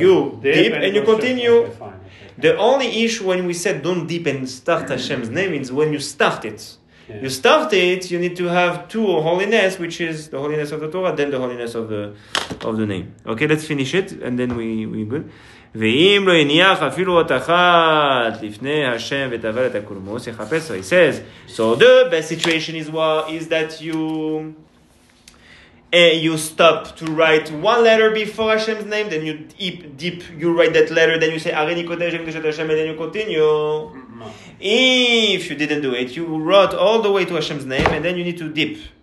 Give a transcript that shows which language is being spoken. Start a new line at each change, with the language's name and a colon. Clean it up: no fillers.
English: You dip and you continue. Okay, fine. Okay. The only issue when we said don't dip and start Hashem's name is when you start it. Yeah. You start it, you need to have two holiness, which is the holiness of the Torah, then the holiness of the name. Okay, let's finish it and then we're good.
Hebrew: ואם לא יניח אפילו עוד אחת לפני השם ותבל את הקולמוס יחפש.
English: He says, so the best situation is that you stop to write one letter before Hashem's name, then you dip, you write that letter, then you say,
Hebrew: Areni Kodesh, Hashem Kodesh Hashem,
English: and then you continue. If you didn't do it, you wrote all the way to Hashem's name, and then you need to dip.